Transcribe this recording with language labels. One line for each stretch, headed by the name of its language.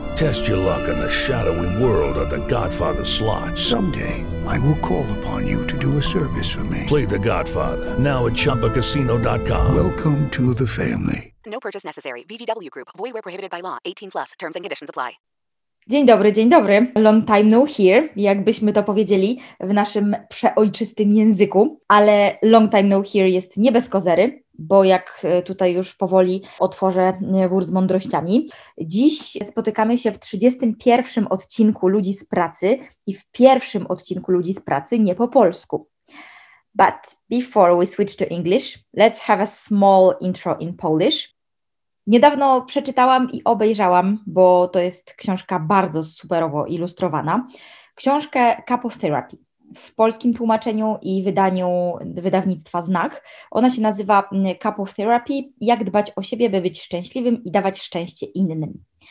English: Test your luck in the shadowy world of The Godfather slot. Someday, I will call upon you to do a service for me. Play The Godfather now at ChumbaCasino.com. Welcome to the family. No purchase necessary. VGW Group. Void where prohibited by law. 18 plus. Terms and conditions apply.
Polish: Dzień dobry, dzień dobry.
English: Long time no here,
Polish: jakbyśmy to powiedzieli w naszym przeojczystym języku. Ale
English: long time no here
Polish: jest nie bez kozery, bo jak tutaj już powoli otworzę wór z mądrościami. Dziś spotykamy się w 31. odcinku Ludzi z Pracy i w pierwszym odcinku Ludzi z Pracy nie po polsku.
English: But before we switch to English, let's have a small intro in Polish.
Polish: Niedawno przeczytałam i obejrzałam, bo to jest książka bardzo superowo ilustrowana, książkę Cup of Therapy w polskim tłumaczeniu i wydaniu wydawnictwa Znak. Ona się nazywa Cup of Therapy, jak dbać o siebie, by być szczęśliwym i dawać szczęście innym.